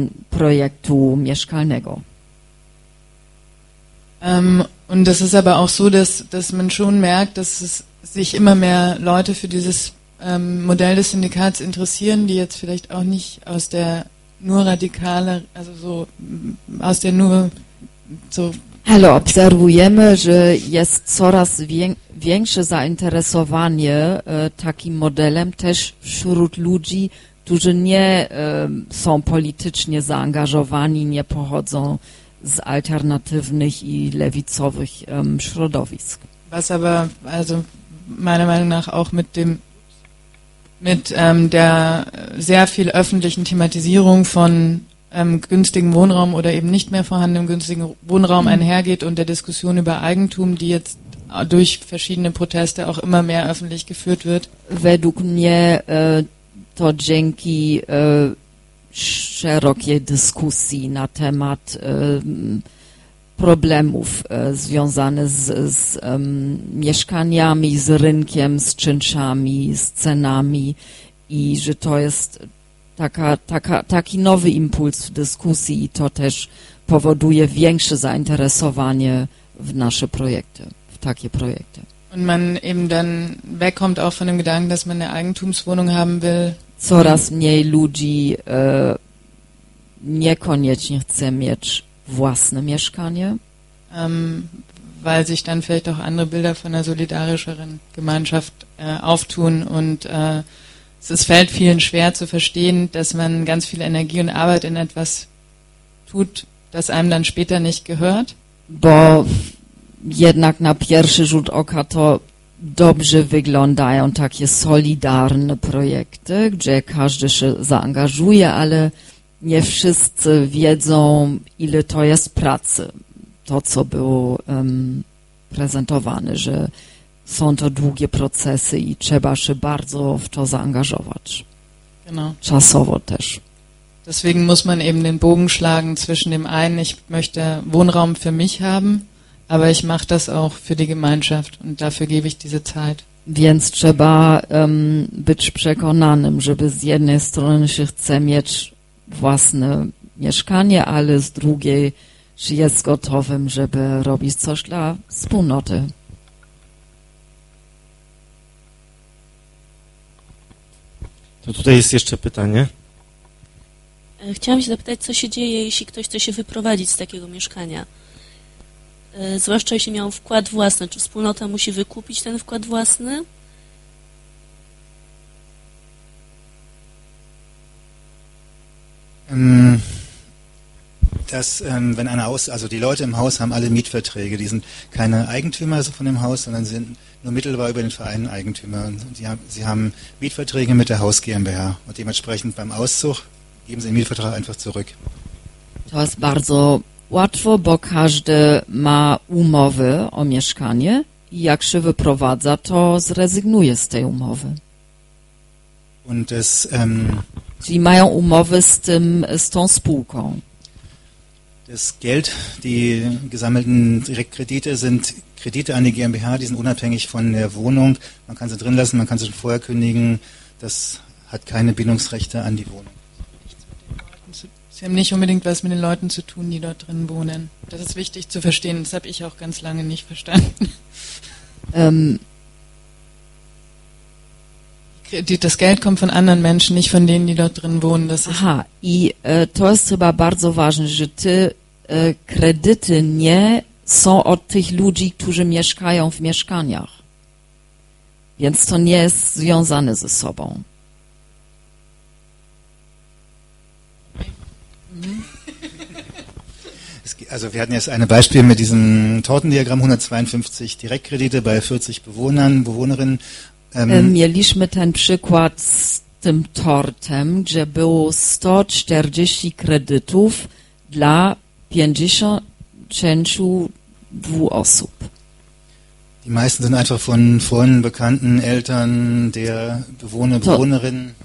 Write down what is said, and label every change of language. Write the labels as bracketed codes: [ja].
[pl] projektu mieszkalnego. [de] Und das ist aber auch so, dass man schon merkt, dass es sich immer mehr Leute für dieses Modell des Syndikats interessieren, die jetzt vielleicht auch nicht aus der nur radikale, also so aus der nur so. [pl] Ale obserwujemy, że jest coraz większe zainteresowanie takim modelem też wśród ludzi, którzy nie są politycznie zaangażowani, nie pochodzą z alternatywnych i lewicowych środowisk. [de] Was aber, also meiner Meinung nach auch mit dem mit der sehr viel öffentlichen Thematisierung von günstigen Wohnraum oder eben nicht mehr vorhandenem günstigen Wohnraum einhergeht und der Diskussion über Eigentum, die jetzt durch verschiedene Proteste auch immer mehr öffentlich geführt wird. [pl] Według mnie to dzięki szerokiej dyskusji na temat problemów związanych z mieszkaniami, z rynkiem, z czynszami, z cenami i że to jest taki nowy impuls w dyskusji i to też powoduje większe zainteresowanie w nasze projekty, w takie projekty. [de] Und man eben dann wegkommt auch von dem Gedanken, dass man eine Eigentumswohnung haben will. [pl] Coraz mniej ludzi niekoniecznie chce mieć własne mieszkanie. [de] Weil sich dann vielleicht auch andere Bilder von einer solidarischeren Gemeinschaft auftun und es fällt vielen schwer zu verstehen, dass man ganz viel Energie und Arbeit in etwas tut, das einem dann später nicht gehört. [pl] Bo jednak na pierwszy rzut oka to dobrze wyglądają takie solidarne projekty, gdzie każdy się zaangażuje, ale nie wszyscy wiedzą, ile to jest pracy. To, co było prezentowane, że są to długie procesy i trzeba się bardzo w to zaangażować. [de] Genau. [pl] Czasowo też. [de] Deswegen muss man eben den Bogen schlagen zwischen dem einen, ich möchte Wohnraum für mich haben, aber ich mache das auch für die Gemeinschaft und dafür gebe ich diese Zeit. [pl] Więc trzeba być przekonanym, żeby z jednej strony się chce mieć własne mieszkanie, ale z drugiej się jest gotowym, żeby robić coś dla wspólnoty. To tutaj jest jeszcze pytanie. Chciałam się zapytać, co się dzieje, jeśli ktoś chce się wyprowadzić z takiego mieszkania? Zwłaszcza jeśli miał wkład własny. Czy wspólnota musi wykupić ten wkład własny? [de] Dass wenn einer aus, also die Leute im Haus haben alle Mietverträge, die sind keine Eigentümer also von dem Haus, sondern sind nur mittelbar über den Verein Eigentümer. Und sie haben Mietverträge mit der Haus GmbH und dementsprechend beim Auszug geben sie den Mietvertrag einfach zurück. [pl] To jest bardzo łatwo, bo każdy ma umowę o mieszkanie i jak się wyprowadza, to zrezygnuje z tej umowy. [de] Und das, [pl] Sie mają umowę z tym, z tą spółką. [de] Das Geld, die gesammelten Direktkredite sind Kredite an die GmbH, die sind unabhängig von der Wohnung. Man kann sie drin lassen, man kann sie schon vorher kündigen. Das hat keine Bindungsrechte an die Wohnung. Sie haben nicht unbedingt was mit den Leuten zu tun, die dort drin wohnen. Das ist wichtig zu verstehen, das habe ich auch ganz lange nicht verstanden. Das Geld kommt von anderen Menschen, nicht von denen, die dort drin wohnen. Das ist [pl] aha, i to jest chyba bardzo ważne, że te kredyty nie są od tych ludzi, którzy mieszkają w mieszkaniach. Więc to nie jest związane ze sobą. [de] Also wir hatten jetzt ein Beispiel mit diesem Tortendiagramm, 152 Direktkredite bei 40 Bewohnern, Bewohnerinnen. [pl] Mieliśmy ten przykład z tym tortem, gdzie było 140 kredytów dla 52 osób. [de] Die meisten sind einfach von Freunden, Bekannten, Eltern, der Bewohner, Bewohnerin.